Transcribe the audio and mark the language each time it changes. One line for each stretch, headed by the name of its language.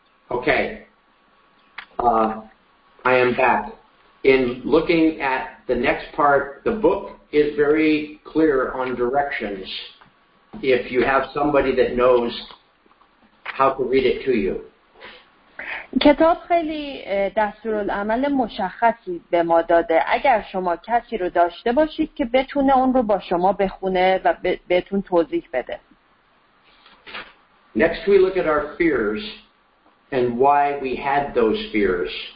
English: Okay. I am back. In looking at the next part, the book is very clear on directions if you have somebody that knows how to read it to you.
Persian: کتاب خیلی دستورالعمل مشخصی به ما داده. اگر شما کسی رو داشته باشید که بتونه اون رو با شما بخونه و بهتون توضیح بده.
English: Next we look at our fears and why we had those fears.